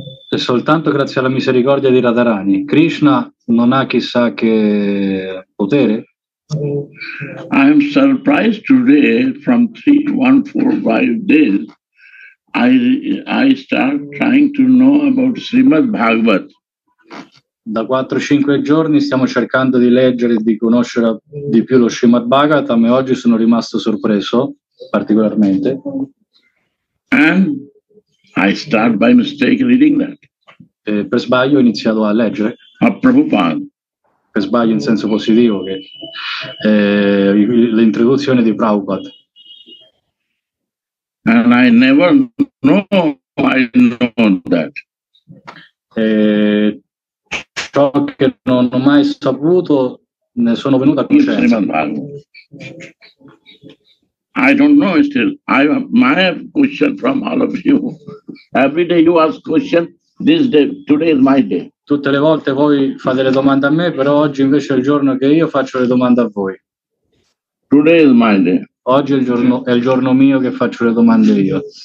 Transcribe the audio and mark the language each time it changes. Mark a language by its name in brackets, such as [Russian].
[Italian] È soltanto grazie alla misericordia di Radharani. Krishna non ha chissà che potere. [English] I am surprised today from 3, 1, 4, 5 days I start trying to know about Srimad Bhagavat. [Italian] Da 4-5 giorni stiamo cercando di leggere e di conoscere di più lo Srimad Bhagavatam e oggi sono rimasto sorpreso particolarmente. [English] And I start by mistake reading that. [Italian] E per sbaglio ho iniziato a leggere. [English] A Prabhupada. [Italian] Per sbaglio in senso positivo, che l'introduzione di Prabhupada. [English] And I never know, I know that. [Italian] Ciò che non ho mai saputo, ne sono venuto a conoscenza. [English] I don't know still. I have question from all of you. Every day you ask question, this day, today is my day. [Italian] Tutte le volte voi fate le domande a me, però oggi invece è il giorno che io faccio le domande a voi. [English] Today is my day. [Italian] Oggi è il giorno mio che faccio le domande io.